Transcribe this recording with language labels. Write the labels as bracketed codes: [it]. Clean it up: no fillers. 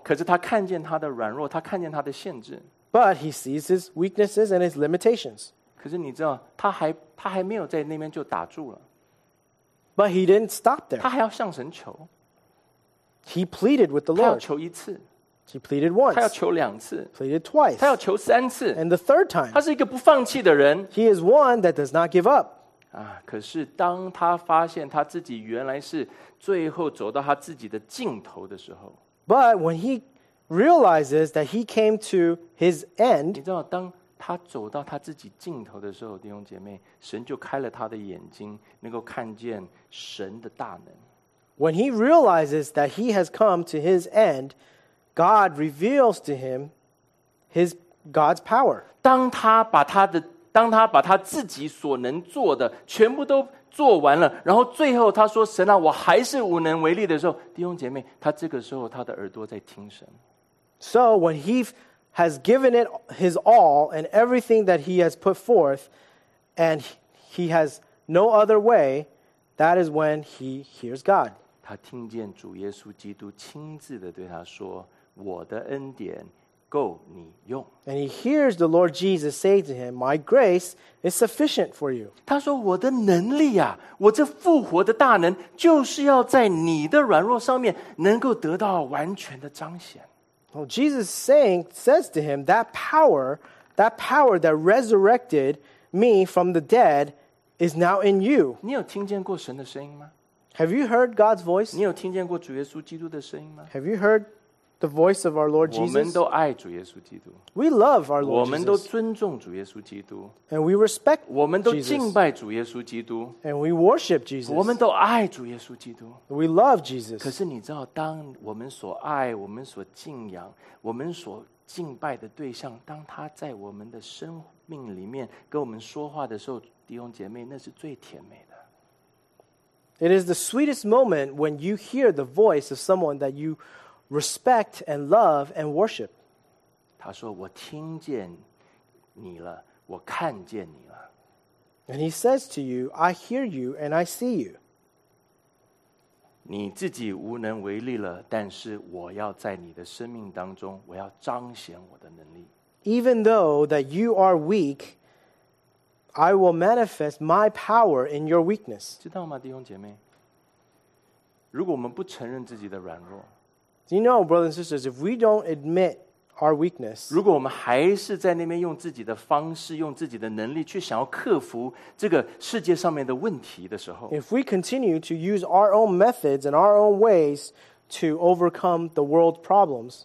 [zh] 可是他看见他的软弱，他看见他的限制。 [en] But he sees his weaknesses and his limitations. [zh] 可是你知道，他还没有在那边就打住了。 [en] But he didn't stop there. [zh] 他还要向神求。 [en] He pleaded with the Lord. [zh] 他要求一次。 [en] He pleaded once. [zh] 他要求两次。 [en] Pleaded twice. [zh] 他要求三次。 [en] And the third time. [zh] 他是一个不放弃的人。 [en] He is one that does not give up. [zh] 啊，可是当他发现他自己原来是最后走到他自己的尽头的时候。 [en] But when he realizes that he came to his end. [zh] 你知道当他走到他自己尽头的时候，弟兄姐妹，神就开了他的眼睛，能够看见神的大能。 [en] When he realizes that he has come to his end, God reveals to him his God's power. [zh] 当他把他自己所能做的全部都做完了，然后最后他说：“神啊，我还是无能为力的时候。” 弟兄姐妹，他这个时候他的耳朵在听神。 [en] So when he has given it his all and everything that he has put forth, and he has no other way, that is when he hears God. [zh] 他听见主耶稣基督亲自的对他说，我的恩典够你用。 [en] And he hears the Lord Jesus say to him, My grace is sufficient for you. [zh] 他说我的能力啊，我这复活的大能就是要在你的软弱上面能够得到完全的彰显。 [en] Well, Jesus says to him, that power that resurrected me from the dead is now in you. [zh] 你有听见过神的声音吗？ [en] Have you heard God's voice? [zh] 你有听见过主耶稣基督的声音吗？ [en] Have you heard the voice of our Lord Jesus? [zh] 我们都爱主耶稣基督。 [en] We love our Lord Jesus. [zh] 我们都尊重主耶稣基督。 [en] And we respect Jesus. [zh] 我们都敬拜主耶稣基督。 [en] And we worship Jesus. [zh] 我们都爱主耶稣基督。 [en] We love Jesus. [zh] 可是你知道，当我们所爱，我们所敬仰，我们所敬拜的对象，当他在我们的生命里面跟我们说话的时候，弟兄姐妹，那是最甜美的。 [en] It is the sweetest moment when you hear the voice of someone that you respect and love and worship. [zh] 他说我听见你了，我看见你了。 [en] And he says to you, I hear you and I see you. [zh] 你自己无能为力了，但是我要在你的生命当中，我要彰显我的能力。 [en] Even though that you are weak, I will manifest my power in your weakness. [zh] 知道吗，弟兄姐妹，如果我们不承认自己的软弱， [en] You know, brothers and sisters, if we don't admit our weakness, [zh] 如果我们还是在那边用自己的方式，用自己的能力去想要克服这个世界上面的问题的时候， [en] if we continue to use our own methods and our own ways to overcome the world's problems,